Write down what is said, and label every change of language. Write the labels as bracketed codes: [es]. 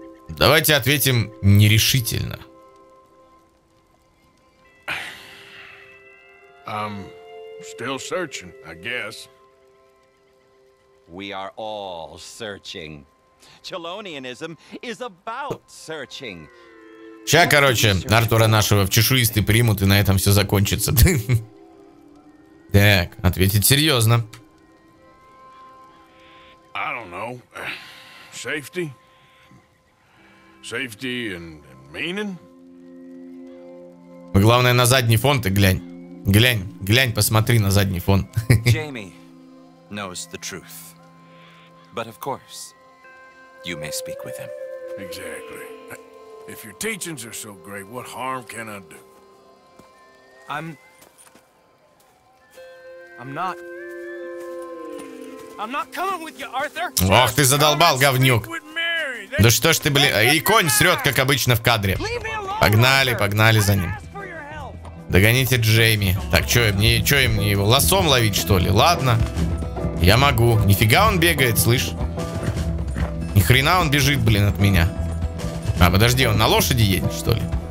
[ru] Давайте ответим нерешительно. [en] I'm still searching, I guess. We are all searching. Челонианизм is about searching. [ru] Ща, короче, Артура нашего в чешуисты примут, и на этом все закончится. Так, ответить серьезно. [en] I don't know. Safety? Safety and meaning? [ru] Главное, на задний фон ты глянь. Глянь, глянь, посмотри на задний фон. [en] Jamie knows the truth. But of course... You may speak with him. Exactly. If your teachings are so great, what harm can I do? I'm not coming with you, Arthur. [ru] Ох, ты задолбал, говнюк. Да что ж ты, блин, и конь срет, как обычно в кадре. Погнали, погнали за ним. Догоните Джейми. Так, что мне его лосом ловить, что ли? Ладно, я могу. Нифига он бегает, слышь. Ни хрена он бежит, блин, от меня. А, подожди, он на лошади едет, что ли?